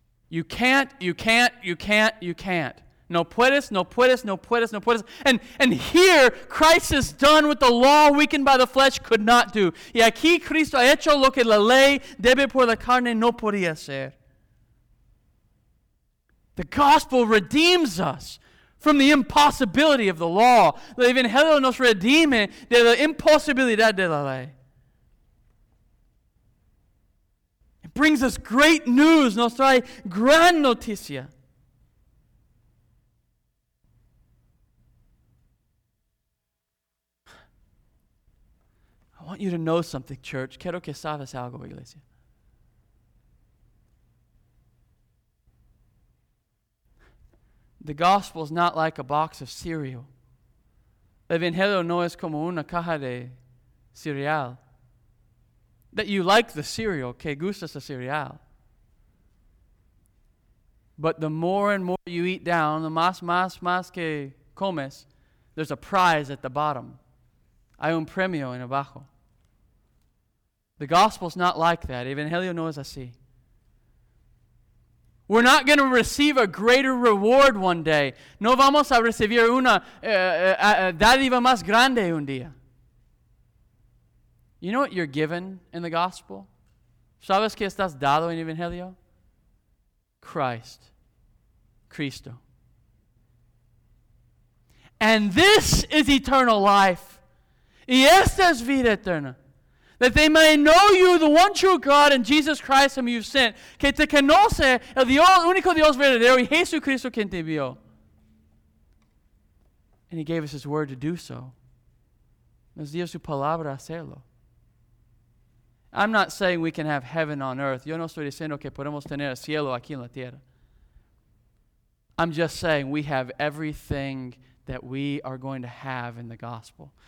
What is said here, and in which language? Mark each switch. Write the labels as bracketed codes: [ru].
[en] You can't, you can't, you can't, you can't. [es] No puedes, no puedes, no puedes, no puedes. [en] And here, Christ has done what the law weakened by the flesh could not do. [es] Y aquí Cristo ha hecho lo que la ley debe por la carne no podía hacer. [en] The gospel redeems us from the impossibility of the law. [es] El Evangelio nos redime de la imposibilidad de la ley. [en] It brings us great news. [es] Nos trae gran noticia. [en] I want you to know something, church. [es] Quiero que sabes algo, iglesia. [en] The gospel is not like a box of cereal. [es] El Evangelio no es como una caja de cereal. [en] That you like the cereal, [es] que gustas el cereal. [en] But the more and more you eat down, the [es] más, más, más que comes, [en] there's a prize at the bottom. [es] Hay un premio en abajo. [en] The gospel is not like that. [es] El Evangelio no es así. [en] We're not going to receive a greater reward one day. [es] No vamos a recibir una dádiva más grande un día. [en] You know what you're given in the gospel? [es] ¿Sabes qué estás dado en el Evangelio? Christ. Cristo. [en] And this is eternal life. [es] Y esta es vida eterna. [en] That they may know you, the one true God, and Jesus Christ whom you've sent. [es] Que te conoce el Dios, único Dios verdadero, y Jesucristo quien te vio. [en] And he gave us his word to do so. [es] Nos dio su palabra hacerlo. [en] I'm not saying we can have heaven on earth. [es] Yo no estoy diciendo que podemos tener el cielo aquí en la tierra. [en] I'm just saying we have everything that we are going to have in the gospel.